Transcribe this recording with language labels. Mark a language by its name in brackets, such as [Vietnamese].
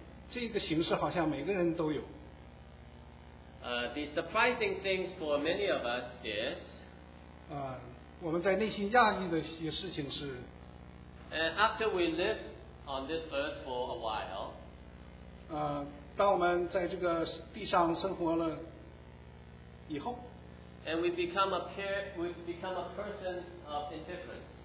[Chinese] 这个形式好像每个人都有。 [English] The surprising things for many of us is, [Chinese] 我们在内心讶异的一些事情是。 [English] And after we live. On this earth for a while, [Chinese] 当我们在这个地上生活了以后。 [English] And we become a pair, we become a person of indifference.